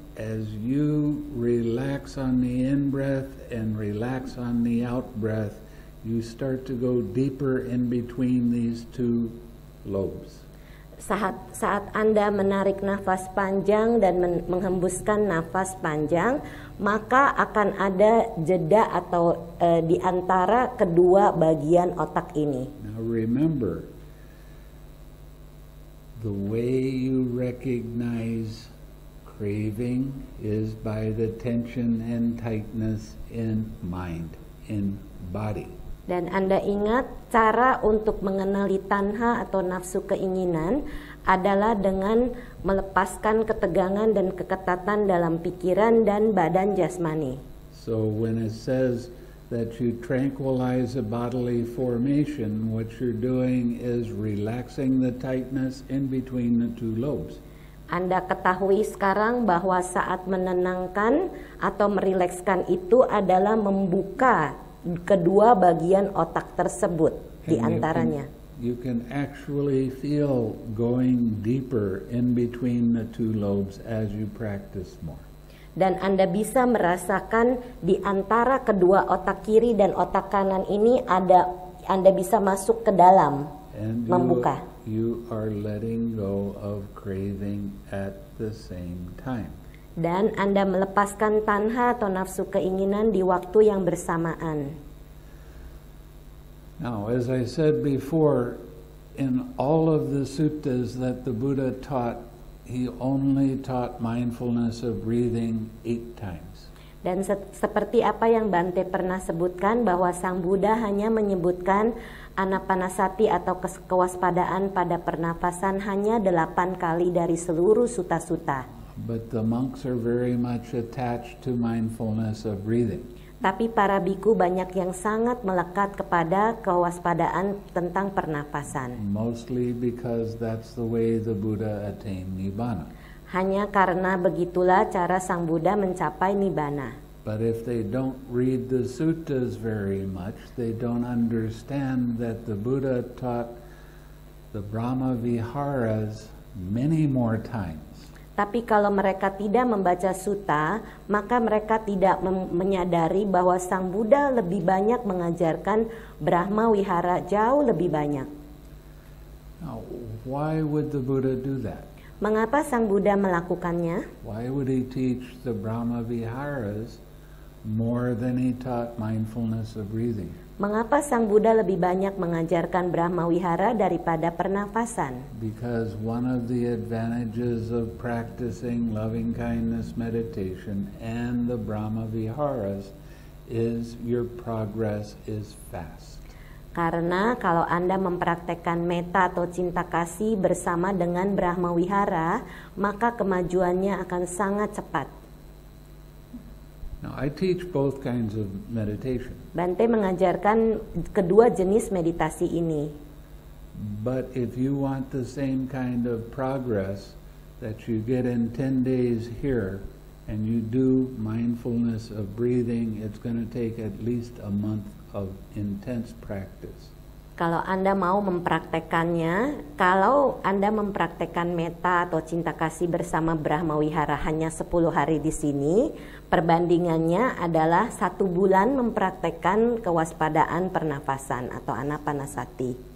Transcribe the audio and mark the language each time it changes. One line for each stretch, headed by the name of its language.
English: As you relax on the in-breath and relax on the out-breath, you start to go deeper in between these two lobes.
Indonesian: Saat Anda menarik nafas panjang dan menghembuskan nafas panjang, maka akan ada jeda atau di antara kedua bagian otak ini.
English: Now remember, the way you recognize craving is by the tension and tightness in mind, in body.
Indonesian: Dan Anda ingat cara untuk mengenali tanha atau nafsu keinginan adalah dengan melepaskan ketegangan dan keketatan dalam pikiran dan badan jasmani.
English: So when it says that you tranquilize a bodily formation, what you're doing is relaxing the tightness in between the two lobes.
Indonesian: Anda ketahui sekarang bahwa saat menenangkan atau merilekskan itu adalah membuka kedua bagian otak tersebut di antaranya.
English: You can actually feel going deeper in between the two lobes as you practice more.
Indonesian: Dan Anda bisa merasakan di antara kedua otak kiri dan otak kanan ini ada, Anda bisa masuk ke dalam,
English: and
Indonesian: membuka.
English: You are letting go of craving at the same time.
Indonesian: Dan Anda melepaskan tanha atau nafsu keinginan di waktu yang bersamaan.
English: Now, as I said before, in all of the suttas that the Buddha taught, he only taught mindfulness of breathing 8 times.
Indonesian: Dan seperti apa yang Bante pernah sebutkan, bahwa Sang Buddha hanya menyebutkan anapanasati atau kewaspadaan pada pernapasan hanya 8 kali dari seluruh sutta-sutta.
English: But the monks are very much attached to mindfulness of breathing.
Indonesian: Tapi para bhikkhu banyak yang sangat melekat kepada kewaspadaan tentang pernapasan.
English: Mostly because that's the way the Buddha attained Nibbana.
Indonesian: Hanya karena begitulah cara Sang Buddha mencapai Nibbana.
English: But if they don't read the suttas very much, they don't understand that the Buddha taught the Brahma Viharas many more times.
Indonesian: Tapi kalau mereka tidak membaca sutta, maka mereka tidak menyadari bahwa Sang Buddha lebih banyak mengajarkan Brahma Vihara jauh lebih banyak.
English: Now, why would the Buddha do that?
Indonesian: Mengapa Sang Buddha melakukannya?
English: Why would he teach the Brahma Viharas more than he taught mindfulness of breathing?
Indonesian: Mengapa Sang Buddha lebih banyak mengajarkan Brahma Vihara daripada pernafasan?
English: Because one of the advantages of practicing loving kindness meditation and the Brahma Viharas is your progress is fast.
Indonesian: Karena kalau Anda mempraktekkan metta atau cinta kasih bersama dengan Brahma Vihara, maka kemajuannya akan sangat cepat.
English: Now, I teach both kinds of meditation.
Indonesian: Bante mengajarkan kedua jenis meditasi ini.
English: But if you want the same kind of progress that you get in 10 days here and you do mindfulness of breathing, it's going to take at least a month of intense practice.
Indonesian: Kalau Anda mau mempraktekannya, kalau Anda mempraktekkan metta atau cinta kasih bersama Brahma Vihara hanya 10 hari di sini, perbandingannya adalah 1 bulan mempraktekkan kewaspadaan pernafasan atau anapanasati.